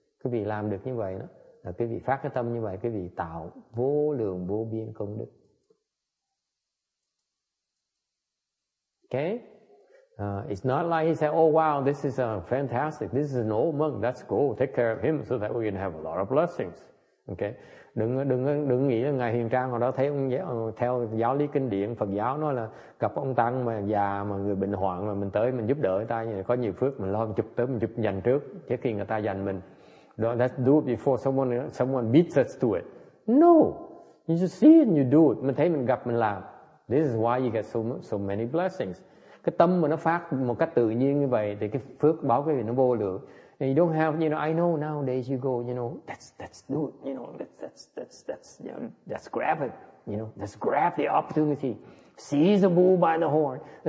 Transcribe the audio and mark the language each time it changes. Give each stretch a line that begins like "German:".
Vietnamese: Quý vị làm được như vậy đó, là quý vị phát cái tâm như vậy, quý vị tạo vô lượng vô biên công đức.
English: Okay? It's not like he said, oh wow, this is fantastic, this is an old monk, that's cool, take care of him so that we can have a lot of blessings. Okay?
Vietnamese: Đừng nghĩ là Ngài Huyền Trang hồi đó thấy ông theo giáo lý kinh điển Phật giáo nói là gặp ông tăng mà già mà người bệnh hoạn mà mình tới mình giúp đỡ người ta có nhiều phước, mình lo chụp tới mình giúp dành trước trước khi người ta dành mình.
English: Let's do it before someone beats us to it. No, you just see it and you do it.
Vietnamese: Mình thấy mình gặp mình làm.
English: This is why you get so many blessings.
Vietnamese: Cái tâm mà nó phát một cách tự nhiên như vậy thì cái phước báo cái gì nó vô lượng.
English: And you don't have, you know, I know nowadays you go, you know, that's do it, you know, that's, you know, that's grab it, you know, that's grab the opportunity, seize the bull by the horn.